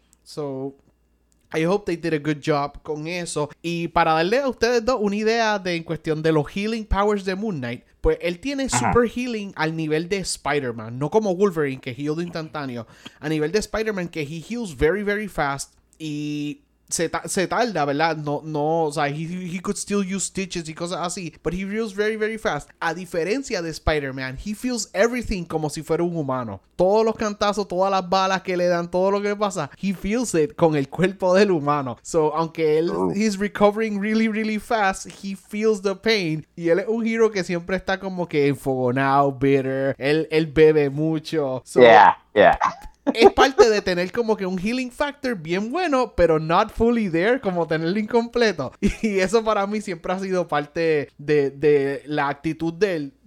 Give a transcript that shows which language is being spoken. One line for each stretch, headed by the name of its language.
English: So, I hope they did a good job
Spanish: con eso. Y para darle a ustedes dos una idea de en cuestión de los healing powers de Moon Knight, pues él tiene super healing al nivel de Spider-Man. No como Wolverine, que healed instantáneo. A nivel de Spider-Man, que
English: he heals very, very fast
Spanish: y se tarda, ¿verdad? No, o sea,
English: he could still use stitches
Spanish: y cosas así,
English: but he feels very, very fast.
Spanish: A diferencia de Spider-Man,
English: he feels everything
Spanish: como si fuera un humano. Todos los cantazos, todas las balas que le dan, todo lo que pasa,
English: he feels it
Spanish: con el cuerpo del humano.
English: So,
Spanish: aunque él,
English: he's recovering really, really fast, he feels the pain.
Spanish: Y él es un hero que siempre está como que enfogonado, bitter, él bebe mucho.
English: So, yeah, yeah.
Spanish: Es parte de tener como que un healing factor bien bueno, pero
English: not fully there,
Spanish: como tenerlo incompleto. Y eso para mí siempre ha sido parte de la actitud de él.